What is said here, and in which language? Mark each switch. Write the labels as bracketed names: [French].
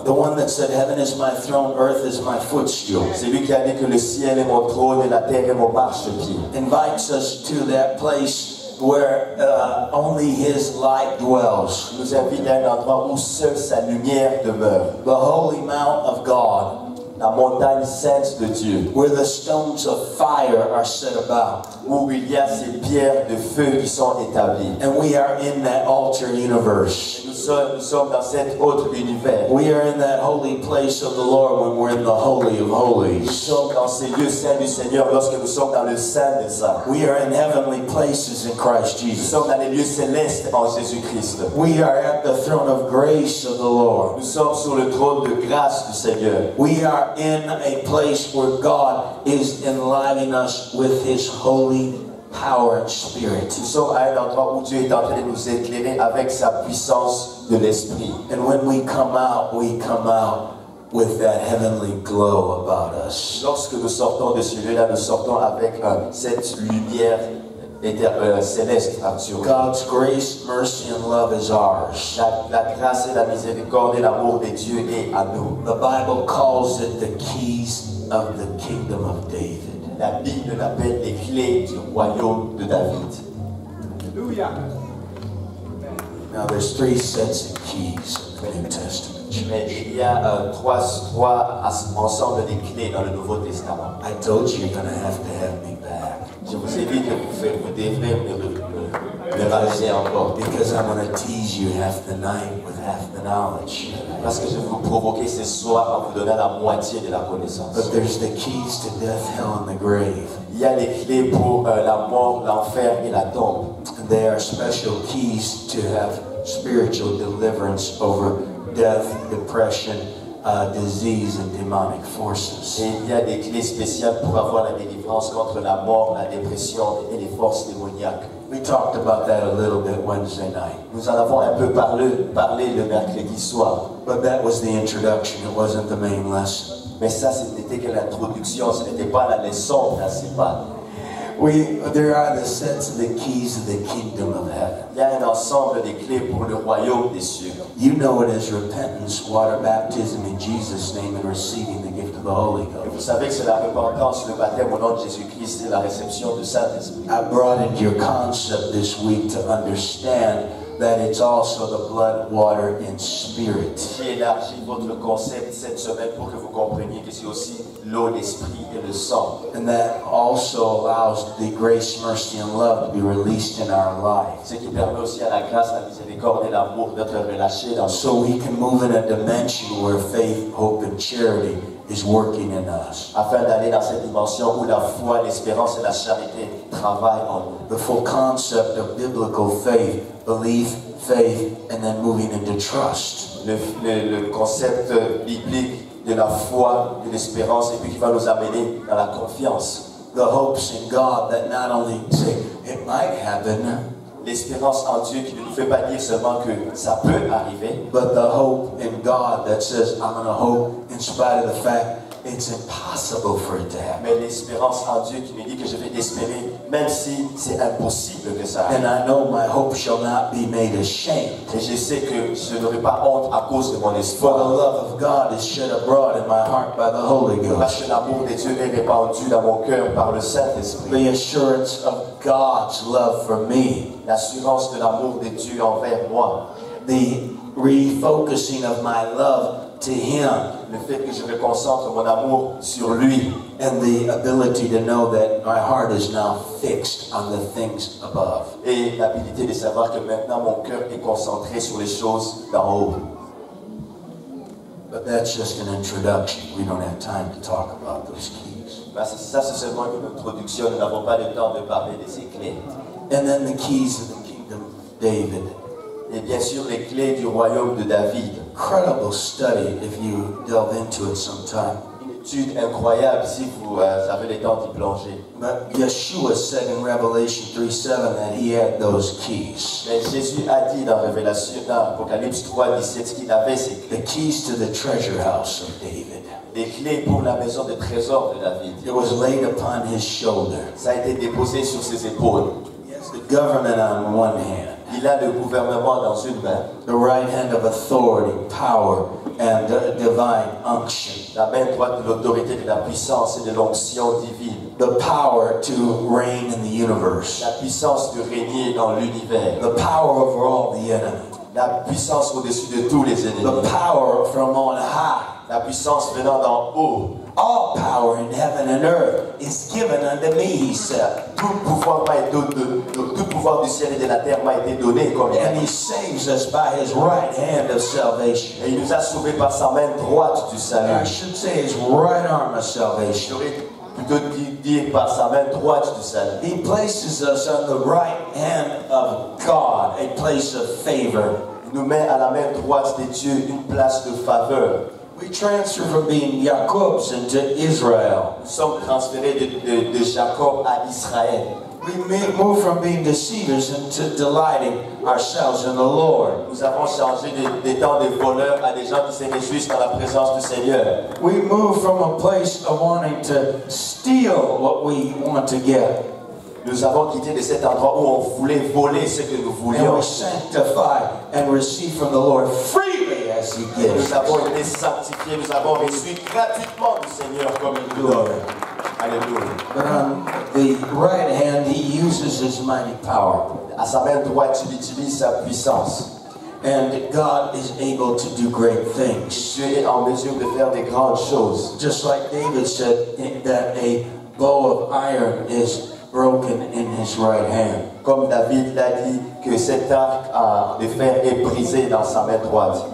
[English] The one that said, "Heaven is my throne, earth is my footstool." [French] C'est lui qui a dit que le ciel est mon trône et la terre est mon marchepied. [English] Invites us to that place where only His light dwells. [French] Nous invite à un endroit où seule sa lumière demeure. [English] The holy mount of God. [French] La montagne sainte de Dieu. [English] Where the stones of fire are set about. [French] Où il y a ces pierres de feu qui sont établies. [English] And we are in that alter universe. [French] Nous sommes dans cet autre univers. [English] We are in that holy place of the Lord when we're in the holy of holies. [French] Nous sommes dans ces lieux saints du Seigneur lorsque nous sommes dans le saint des saints. [English] We are in heavenly places in Christ Jesus. [French] Nous sommes dans les lieux célestes en Jésus-Christ. [English] We are at the throne of grace of the Lord. [French] Nous sommes sur le trône de grâce du Seigneur. [English] We are in a place where God is enlivening us with His holy power and spirit. [French] Nous sommes à un endroit où Dieu est en train de nous éclairer avec sa puissance de l'esprit. [English] And when we come out with that heavenly glow about us. [French] Lorsque nous sortons de ce lieu-là, nous sortons avec cette lumière céleste actuel. [English] God's grace, mercy and love is ours. [French] La grâce et la miséricorde et l'amour de Dieu est à nous. [English] The Bible calls it the keys of the kingdom of David. [French] La Bible l'appelle les clés du royaume de David. Alléluia. [English] Now there's three sets of keys in the New Testament. [French] Mais il y a trois ensembles de clés dans le Nouveau Testament. [English] I told you you're gonna have to have me back. [French] Je vous ai dit que vous devrez me raser encore. [English] Because I'm gonna tease you half the night with half the knowledge. [French] Parce que je vais vous provoquer ce soir en vous donnant la moitié de la connaissance. [English] But there's the keys to death, hell, and the grave. [French] Il y a les clés pour la mort, l'enfer et la tombe. [English] They are special keys to have spiritual deliverance over death, depression, disease, and demonic forces. [French] Et il y a des clés spéciales pour avoir la délivrance contre la mort, la dépression et les forces démoniaques. [English] We talked about that a little bit Wednesday night. [French] Nous en avons un peu parlé le mercredi soir. [English] But that was the introduction. It wasn't the main lesson. [French] Mais ça, ce n'était que l'introduction. Ce n'était pas la leçon principale. [English] There are the sets of the keys of the kingdom of heaven. [French] Il y a un ensemble de clés pour le royaume des cieux. [English] You know it as repentance, water baptism in Jesus' name, and receiving the gift of the Holy Ghost. [French] Et vous savez que c'est la repentance, le baptême au nom de Jésus-Christ et la réception du Saint-Esprit. [English] I broadened your concept this week to understand that it's also the blood, water, and spirit. [French] J'ai élargi votre concept cette semaine pour que vous compreniez que c'est aussi l'eau, l'esprit et le sang. [English] And that also allows the grace, mercy, and love to be released in our life. [French] Ce qui permet aussi à la grâce, la miséricorde et l'amour d'être relâché dans [English] so we can move in a dimension where faith, hope, and charity is working in us. [French] Afin d'aller dans cette dimension où la foi, l'espérance et la charité travaillent en nous. [English] The full concept of biblical faith, belief, faith, and then moving into trust. [French] Le concept biblique de la foi, de l'espérance, et puis qui va nous amener dans la confiance. [English] The hopes in God that not only say it might happen. [French] L'espérance en Dieu qui ne nous fait pas dire seulement que ça peut arriver. [English] But the hope in God that says I'm going to hope in spite of the fact it's impossible for it to happen. [French] Mais l'espérance en Dieu qui me dit que je vais espérer même si c'est impossible que ça arrive. [English] And I know my hope shall not be made ashamed. [French] Et je sais que je n'aurai pas honte à cause de mon espoir. [English] For the love of God is shed abroad in my heart by the Holy Ghost. [French] Parce que l'amour de Dieu est répandu dans mon cœur par le Saint-Esprit. [English] The assurance of God's love for me. [French] L'assurance de l'amour de Dieu envers moi. [English] The refocusing of my love to him. [French] Le fait que je me concentre mon amour sur lui. [English] And the ability to know that my heart is now fixed on the things above. [French] Et l'habilité de savoir que maintenant mon cœur est concentré sur les choses d'en haut. [English] But that's just an introduction. We don't have time to talk about those keys. [French] Parce que ça, c'est seulement une introduction. Nous n'avons pas le temps de parler de ces clés. [English] And then the keys of the kingdom of David. [French] Et bien sûr, les clés du royaume de David. [English] Incredible study if you delve into it sometime. [French] Une étude incroyable si vous avez le temps d'y plonger. [English] But Yeshua said in Revelation 3:7 that he had those keys. [French] Mais Jésus a dit dans Révélation, dans Apocalypse 3:17 qu'il avait ces clés. [English] The keys to the treasure house of David. [French] Les clés pour la maison de trésor de David. [English] It was laid upon his shoulder. [French] Ça a été déposé sur ses épaules. [English] The government on one hand. [French] Il a le gouvernement dans une main. [English] The right hand of authority, power, and divine unction. [French] La main droite de l'autorité, de la puissance et de l'onction divine. [English] The power to reign in the universe. [French] La puissance de régner dans l'univers. [English] The power over all the enemy. [French] La puissance au-dessus de tous les ennemis. [English] The power from on high. [French] La puissance venant d'en haut. [English] All power in heaven and earth is given unto me, he said. [French] Tout pouvoir m'a été donné. Tout pouvoir du ciel et de la terre m'a été donné. [English] And he saves us by his right hand of salvation. [French] Et il nous a sauvés par sa main droite du salut. [English] I should say his right arm of salvation. [French] Plutôt dire par sa main droite du salut. [English] He places us on the right hand of God, a place of favor. [French] Il nous met à la main droite de Dieu une place de faveur. [English] We transfer from being Jacob's into Israel. [French] Nous sommes transférés de Jacob à Israël. [English] We move from being deceivers into delighting ourselves in the Lord. [French] Nous avons changé des temps de voleurs à des gens qui se réjouissent dans la présence du Seigneur. [English] We move from a place of wanting to steal what we want to get. [French] nous avons quitté de cet endroit où on voulait voler ce que nous voulions. [English] And we sanctify and receive from the Lord freely as He gives. [French] Nous avons été sanctifiés, nous avons reçu gratuitement du Seigneur comme il donne. [English] But on the right hand, He uses His mighty power. [French] À sa main droite, il utilise sa puissance. [English] And God is able to do great things. [French] Dieu est en mesure de faire des grandes choses. [English] Just like David said, that a bow of iron is broken in his right hand. [French] Comme David l'a dit, que cet arc de fer est brisé dans sa main droite.